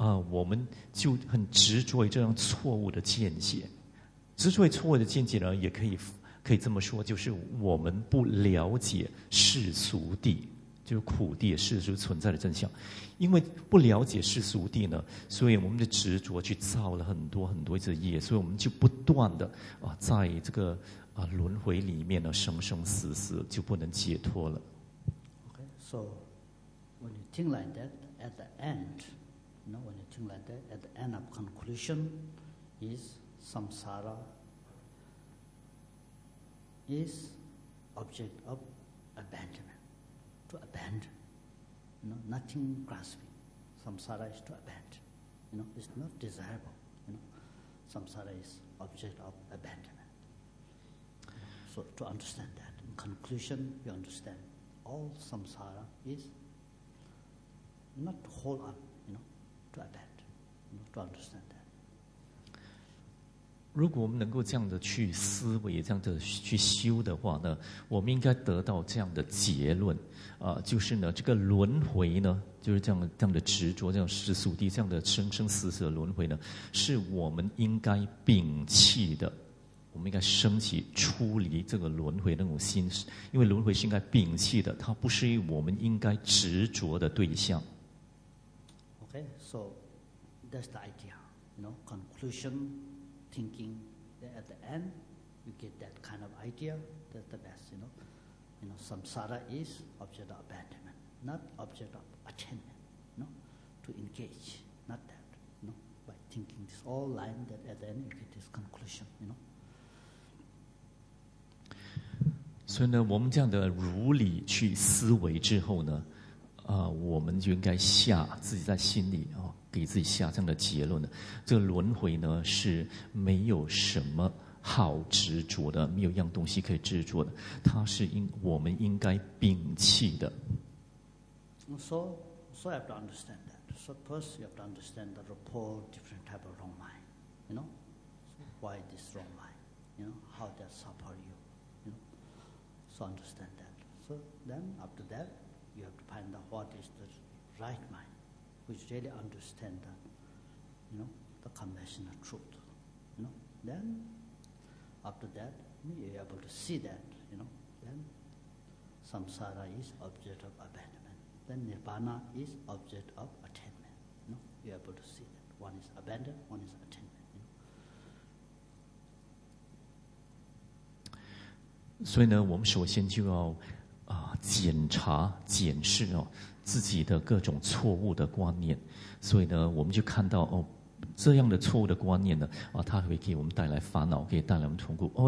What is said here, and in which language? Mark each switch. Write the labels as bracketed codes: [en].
[zh] 我们就很执着于这样错误的见解，执着于错误的见解呢，也可以这么说，就是我们不了解世俗地，就是苦地世俗存在的真相。因为不了解世俗地呢，所以我们的执着去造了很多很多的业，所以我们就不断的在这个轮回里面呢，生生死死就不能解脱了。 [en] Okay, so when you think like that, at the end. You know, when you think like that, at the end of conclusion is samsara is object of abandonment, to abandon, you know, nothing grasping. Samsara is to abandon, you know, it's not desirable, you know. Samsara is object of abandonment. So to understand that, in conclusion, you understand all samsara is not to hold on,To adapt, to understand that. [zh] 如果我们能够这样的去思维，这样的去修的话呢，我们应该得到这样的结论，就是呢，这个轮回呢，就是这样的执着，这样世俗地，这样的生生死死的轮回呢，是我们应该摒弃的，我们应该升起出离这个轮回那种心，因为轮回是应该摒弃的，它不是我们应该执着的对象。 [en] Okay, so that's the idea, you know, conclusion, thinking, that at the end, you get that kind of idea, that's the best, you know, samsara is object of abandonment, not object of attainment, you know, to engage, not that, you know, by thinking this all line that at the end you get this conclusion, you know. [zh] 所以呢，我们这样的如理去思维之后呢，我们就应该下自己在心里给自己下这样的结论的。这个轮回呢是没有什么好执着的，没有一样东西可以执着的，它是我们应该摒弃的。 [en] So you have to understand that. So first you have to understand the report different type of wrong mind. You know why this wrong mind? You know how that support you? You know so understand that. So then after that. You have to find out what is the right mind, which really understand the, you know, the conventional truth. You know, then after that, you're able to see that, you know, then samsara is object of abandonment. Then nirvana is object of attainment. You know, you're able to see that one is abandoned, one is attainment. You know? [zh] 所以呢，我们首先就要检查检视自己的各种错误的观念。所以呢，我们就看到这样的错误的观念呢，它会给我们带来烦恼，可以带来我们痛苦。